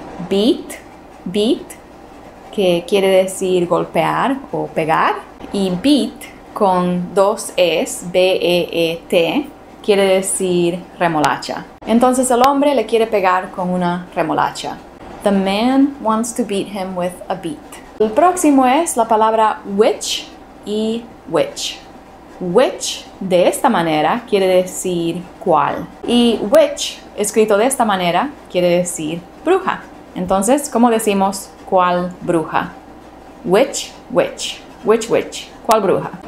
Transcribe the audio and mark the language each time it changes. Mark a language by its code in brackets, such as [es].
[es] Beat, beat, que quiere decir golpear o pegar. Y beat con dos es, B-E-E-T, quiere decir remolacha. Entonces el hombre le quiere pegar con una remolacha. [en] The man wants to beat him with a beat. [es] El próximo es la palabra which y which. Which, de esta manera, quiere decir cuál. Y which, escrito de esta manera, quiere decir bruja. Entonces, ¿cómo decimos cuál bruja? Which, which. Which, which. ¿Cuál bruja?